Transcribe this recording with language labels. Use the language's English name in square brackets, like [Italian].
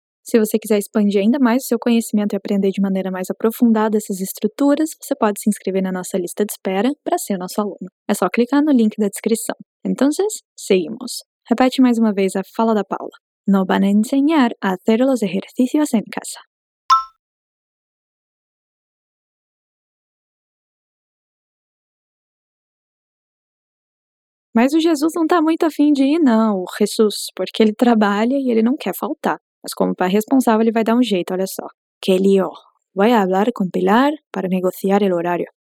[Portuguese] Se você quiser expandir ainda mais o seu conhecimento e aprender de maneira mais aprofundada essas estruturas, você pode se inscrever na nossa lista de espera para ser nosso aluno. É só clicar no link da descrição. Então, seguimos. Repete mais uma vez a fala da Paula. [Spanish] Nos van a enseñar a hacer los ejercicios en casa. [Portuguese] Mas o Jesus não está muito afim de ir, não, o Jesus, porque ele trabalha e ele não quer faltar. Mas como pai responsável, ele vai dar um jeito, olha só. [Spanish] Que lío. Voy a hablar con Pilar para negociar el horario.